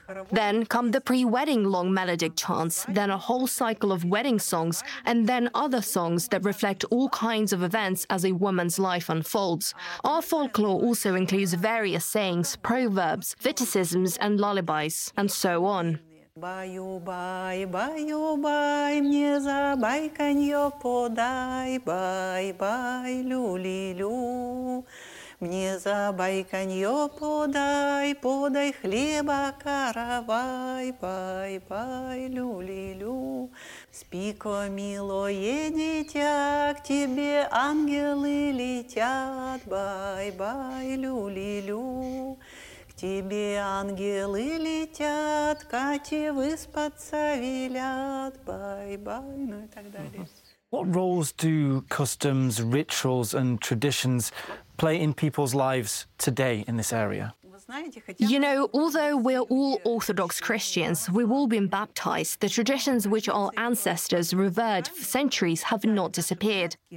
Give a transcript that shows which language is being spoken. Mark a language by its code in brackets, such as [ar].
[en] Then come the pre-wedding long melodic chants, then a whole cycle of wedding songs, and then other songs that reflect all kinds of events as a woman's life unfolds. Our folklore also includes various sayings, proverbs, witticisms and lullabies, and so on. [ru] Баю-бай, баю-бай, мне за байканьё подай, бай-бай, люли-лю. Мне за байканьё подай, подай хлеба каравай, бай-бай, люли-лю. Спіко, милое дитя, к тебе ангелы летят, бай-бай, люли-лю. Тебе ангелы летят, Кате выспаться велят, бай-бай, ну и так далее. [en] What roles do customs, rituals and traditions play in people's lives today in this area? You know, although we're all Orthodox Christians, we've all been baptized, the traditions which our ancestors revered for centuries have not disappeared.